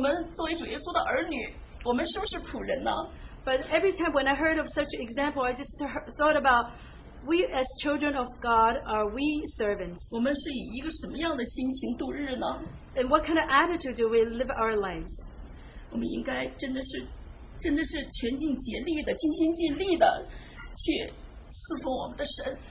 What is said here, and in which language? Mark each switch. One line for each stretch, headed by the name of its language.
Chinese: 但每当我听到这个故事的时候，我就知道我们今天作为一个主耶稣，我们作为主耶稣的儿女，我们是不是仆人呢？
English: But every time when I heard of such an example, I just thought about, we as children of God, are we servants?
Chinese: 我们是以一个什么样的心情度日呢？
English: And what kind of attitude do we live our lives?
Chinese: 我们应该真的是全尽竭力的，尽心尽力的去 侍奉我们的神,